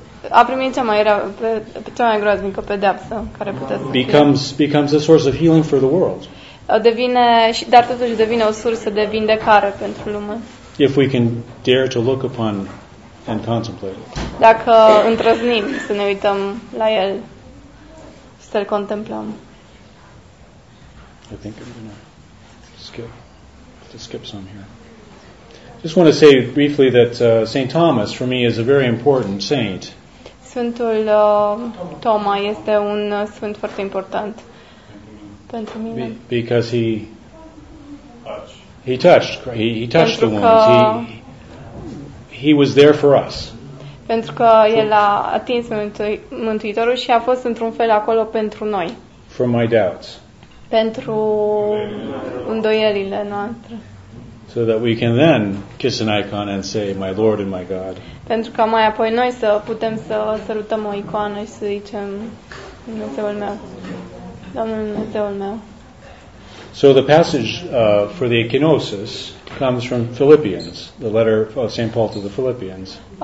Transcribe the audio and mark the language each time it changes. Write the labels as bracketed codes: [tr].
[ro] A primit cea mai groaznică pedeapsă care putea să fie. [en] Becomes a source of healing for the world. [ro] Devine, dar totuși devine o sursă de vindecare pentru lume. [en] If we can dare to look upon and contemplate. [ro] Dacă îndrăznim să ne uităm la el. Să-l contemplăm. [en] I think I'm gonna skip some here. Just want to say briefly that Saint Thomas for me is a very important saint. [ro] Sfântul Toma este un sfânt foarte important pentru mine. [en] Because he touched the wounds. He was there for us. [ro] Pentru că el a atins Mântuitorul și a fost într-un fel acolo pentru noi. [en] For my doubts. [ro] Pentru îndoielile noastre. [en] So that we can then kiss an icon and say, my Lord and my God. [ro] Pentru ca mai apoi noi să putem să sărutăm o icoană și să zicem, Dumnezeul meu, Domnul Dumnezeul meu. [en] So the passage for the echinosis comes from Philippians, the letter of St. Paul to the Philippians.